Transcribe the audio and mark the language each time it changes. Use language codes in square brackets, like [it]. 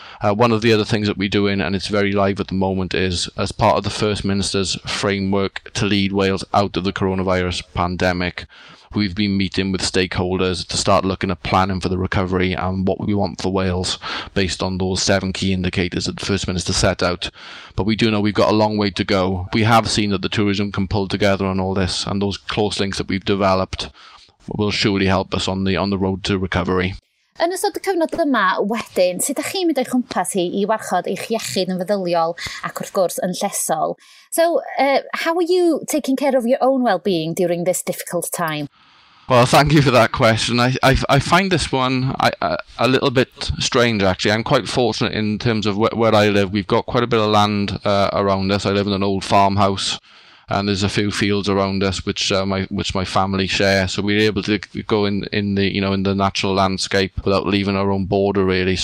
[en] One of the other things that we're doing, and it's very live at the moment, is as part of the First Minister's framework to lead Wales out of the coronavirus pandemic, we've been meeting with stakeholders to start looking at planning for the recovery and what we want for Wales based on those seven key indicators that the First Minister set out. But we do know we've got a long way to go. We have seen that the tourism can pull together on all this, and those close links that we've developed will surely help us on the road to recovery. [cy] Yn ystod y cyfnod yma wedyn, sut ydych chi'n mynd o'i chwmpas hi I warchod eich iechyd yn feddyliol ac wrth gwrs yn llesol? [en] So, how are you taking care of your own well-being during this difficult time? Well, thank you for that question. I find this one a little bit strange, actually. I'm quite fortunate in terms of where I live. We've got quite a bit of land around us. I live in an old farmhouse. And there's a few fields around us which my family share, so we're able to go in the natural landscape without leaving our own border, really.